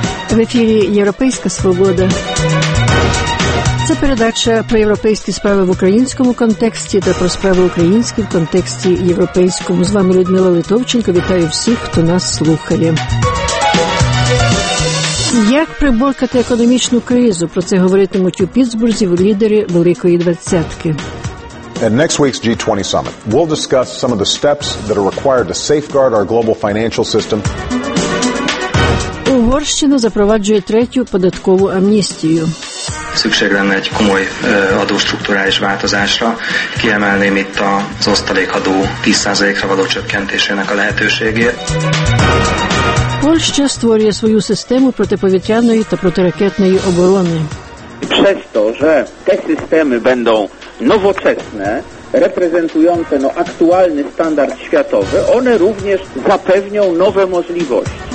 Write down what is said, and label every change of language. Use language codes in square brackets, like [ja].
[uk] В ефірі «Європейська свобода». Це передача про європейські справи в українському контексті та про справи українські в контексті європейському. З вами Людмила Литовченко. Вітаю всіх, хто нас слухає. Як приборкати економічну кризу? Про це говоритимуть у Піттсбурзі лідери Великої двадцятки. [en] At next week's G20 summit, we'll discuss some of the steps that are required to safeguard our global financial system. [uk] Угорщина запроваджує третю податкову амністію. [hu] Szükség lenne egy komoly adóstruktúrális változásra. Kiemelném itt az osztalékadó 10%-ra való csökkentésének a lehetőségét. [uk] Польща створює свою систему протиповітряної та протиракетної оборони. Через те, що ці системи будуть новочесні, репрезентуючи актуальний стандарт світовий, вони також запевнять нові можливості.